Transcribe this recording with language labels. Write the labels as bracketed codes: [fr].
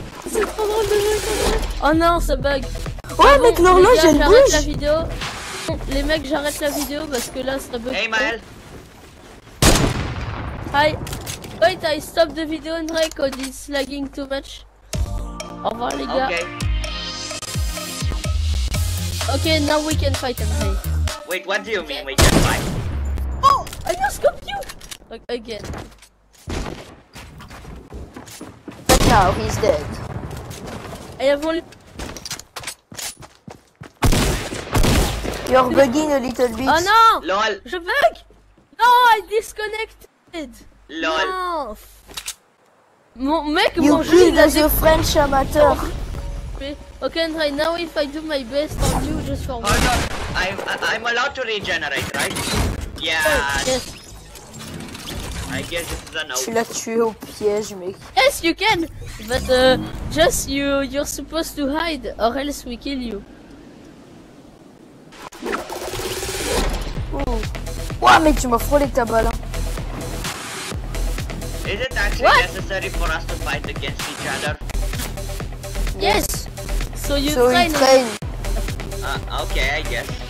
[fr] C'est trop drôle de jouer comme ça. Oh non, ça bug. Ouais, ah, mec, bon, l'horloge, elle bouge. J'arrête la vidéo. Les mecs, j'arrête la vidéo parce que là, ça bug. Hey, Maël. [en] Hi. Wait, I stop the video, Andre, cause it's lagging too much. [fr] Au revoir, les gars. [en] Okay, now we can fight, Andre. Wait, what do you mean we can fight? Oh, I just scoped you! Again. But now he's dead. I have only... You're bugging a little bit. [fr] Oh non! [en] LOL! [fr] Je bug! [en] No, I disconnected! LOL! [fr] Non. Mon mec, [en] you [fr] mon jeu, il a des... [en] You French amateur! Ok, Andre, now if I do my best on you, just for hold on, I'm allowed to regenerate, right? Yeah. Oh, yes. I guess this is a no. [fr] Tu l'as tué au piège, mec. [en] Yes, you can! But just you're supposed to hide, or else we kill you. Oh. [fr] Wow, mec, tu m'as frôlé ta balle, hein. [en] Is it actually what necessary for us to fight against each other? Yes! So you so train. Train. Ok, I guess.